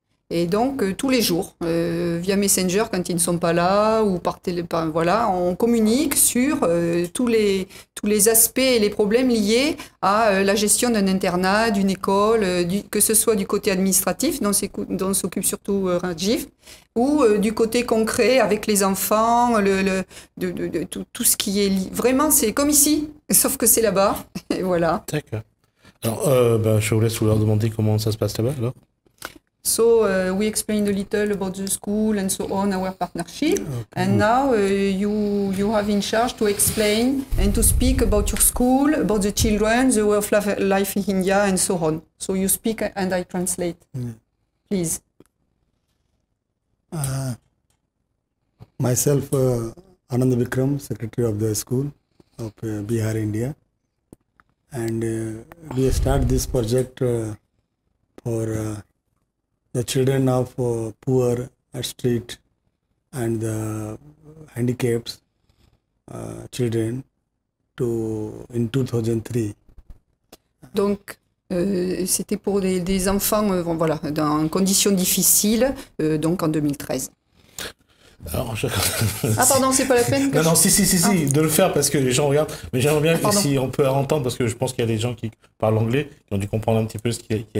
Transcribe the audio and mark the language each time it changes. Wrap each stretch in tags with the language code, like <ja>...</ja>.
<fr>Et donc tous les jours, via Messenger quand ils ne sont pas là, ou par téléphone, voilà, on communique sur tous les aspects et les problèmes liés à la gestion d'un internat, d'une école, que ce soit du côté administratif, dont s'occupe surtout Rajiv, ou du côté concret avec les enfants, tout ce qui est lié. Vraiment, c'est comme ici, sauf que c'est là-bas, et voilà. D'accord. Alors, je voulais vous leur demander comment ça se passe là-bas, alors.</fr> <en>So we explained a little about the school and so on, our partnership. Okay. And now you have in charge to explain and to speak about your school, about the children, the way of life in India and so on. So you speak and I translate. Yeah. Please. Myself, Anand Vikram, secretary of the school of Bihar, India. And we start this project for the children of poor street and the handicapped children in 2003.</en> <fr>Donc, c'était pour des enfants voilà, dans conditions difficiles, donc en 2013. Alors, ah pardon, c'est pas la peine. Non, non, si, de le faire parce que les gens regardent. Mais j'aimerais bien si on peut entendre parce que je pense qu'il y a des gens qui parlent anglais, qui ont dû comprendre un petit peu ce qu'il a</fr>